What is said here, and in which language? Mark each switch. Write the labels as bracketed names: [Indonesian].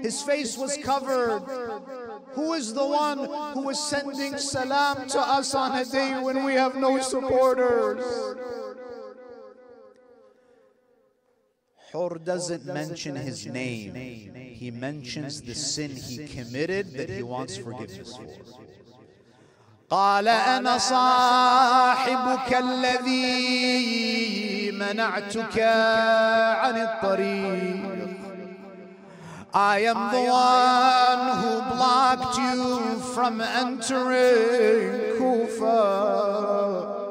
[English] His face was covered. Who is the one who is sending salam to us on a day when we have no supporters? Hur doesn't mention his name. He mentions the sin he committed that he wants forgiveness for. [Arabic] قال أنا صاحبك الذي منعتك عن الطريق. [English] I am the one who blocked you from entering Kufa.